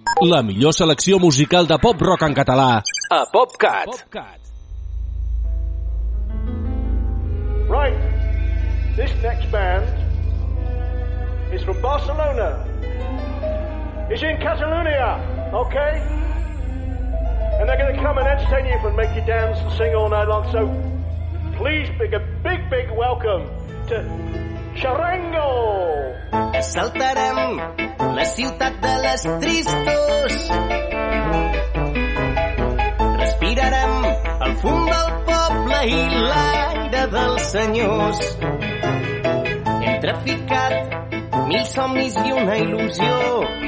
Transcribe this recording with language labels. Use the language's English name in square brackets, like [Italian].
[Catalan] La millor selecció musical de pop rock en català a PopCat. [English] Right. This next band is from Barcelona. It's in Catalonia, okay? And they're going to come and entertain you and make you dance and sing all night long. So please make a big, big welcome to Charango! [Catalan] Saltarem la ciutat de les tristos. Respirarem el fum del poble i l'aire dels senyors. Hem traficat mil somnis i una il·lusió.